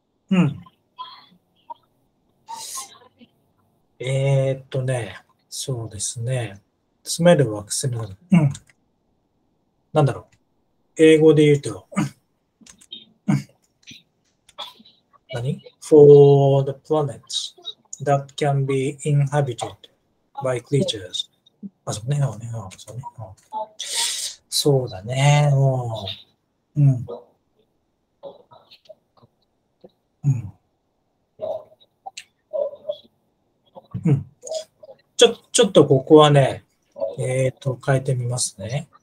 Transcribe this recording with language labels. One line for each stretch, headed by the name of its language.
Japanese: うん、ね、そうですね、住める惑星の、うん、なんだろう、英語で言うと、何？
English: For the planets that can be inhabited by creatures。
Japanese: あ、そうね、ね、そうね、そうだね、うん、うん、ちょっとここはね、変えてみますね。